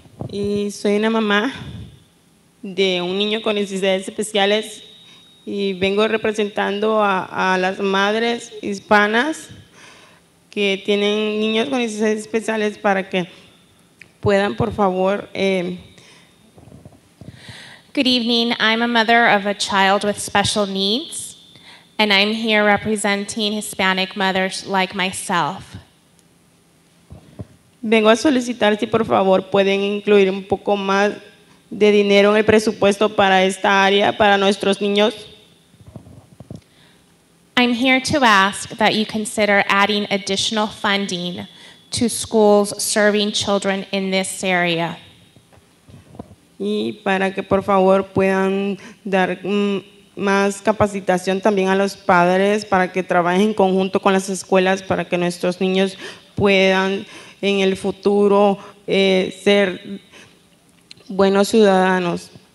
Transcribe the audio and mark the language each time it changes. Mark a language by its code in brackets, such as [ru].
[es] Y soy una mamá de un niño con necesidades especiales. Y vengo representando a las madres hispanas que tienen niños con necesidades especiales para que puedan, por favor. [en] Good evening. I'm a mother of a child with special needs, and I'm here representing Hispanic mothers like myself. [es] Vengo a solicitar si, por favor, pueden incluir un poco más de dinero en el presupuesto para esta área, para nuestros niños. [en] I'm here to ask that you consider adding additional funding to schools serving children in this area. [es] Y para que por favor puedan dar más capacitación también a los padres para que trabajen en conjunto con las escuelas para que nuestros niños puedan en el futuro ser buenos ciudadanos.